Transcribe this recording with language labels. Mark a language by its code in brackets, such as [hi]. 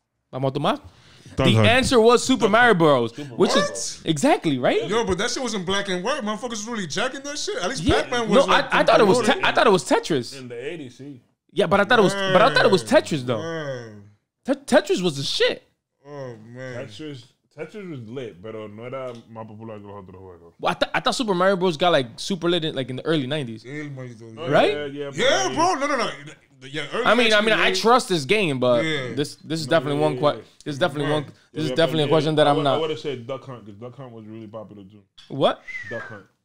[es] Vamos a tomar? [en] The answer was Super Mario Bros. Which is exactly right. Yo, but that shit wasn't black and white. Motherfuckers was really jacking that shit. At least Pac-Man was. No, like, I thought it was Tetris. In the 80s. Yeah, but I thought it was Tetris though. Tetris was the shit. Oh man. Tetris was lit, [es] pero no era más popular que los otros juegos. [en] Well, I thought Super Mario Bros. Got like super lit in the early 90s. Oh, right? Yeah, bro. No. Yeah, I mean, I trust this game, but this is definitely a question that I'm not. I would have said Duck Hunt because Duck Hunt was really popular too. What? Duck Hunt.